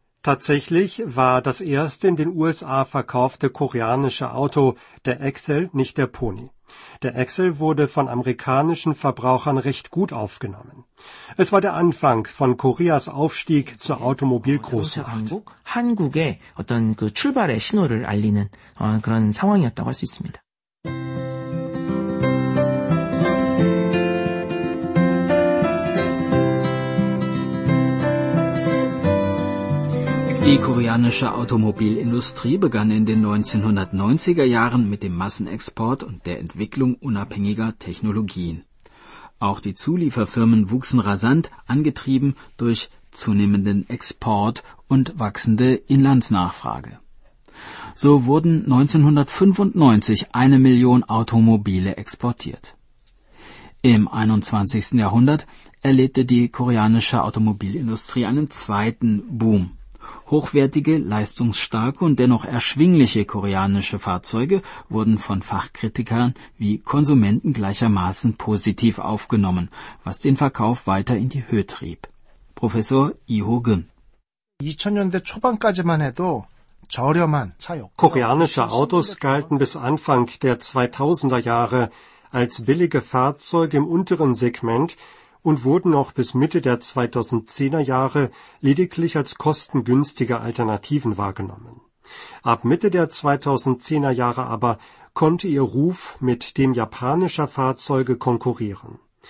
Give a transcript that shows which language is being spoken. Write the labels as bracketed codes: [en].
[de] Tatsächlich war das erste in den USA verkaufte koreanische Auto der Excel, nicht der Pony. Der Excel wurde von amerikanischen Verbrauchern recht gut aufgenommen. Es war der Anfang von Koreas Aufstieg zur Automobilgroßmacht. [ko] 한국의 어떤 그 출발의 신호를 알리는 그런 상황이었다고 할 수 있습니다. [de] Die koreanische Automobilindustrie begann in den 1990er Jahren mit dem Massenexport und der Entwicklung unabhängiger Technologien. Auch die Zulieferfirmen wuchsen rasant, angetrieben durch zunehmenden Export und wachsende Inlandsnachfrage. So wurden 1995 1 Million Automobile exportiert. Im 21. Jahrhundert erlebte die koreanische Automobilindustrie einen zweiten Boom. Hochwertige, leistungsstarke und dennoch erschwingliche koreanische Fahrzeuge wurden von Fachkritikern wie Konsumenten gleichermaßen positiv aufgenommen, was den Verkauf weiter in die Höhe trieb. Professor Lee Ho-geun. [ko] 2000년대 초반까지만 해도 저렴한 차였고. [de] Koreanische Autos galten bis Anfang der 2000er Jahre als billige Fahrzeuge im unteren Segment und wurden noch bis Mitte der 2010er Jahre lediglich als kostengünstige Alternativen wahrgenommen. Ab Mitte der 2010er Jahre aber konnte ihr Ruf mit dem japanischer Fahrzeuge konkurrieren.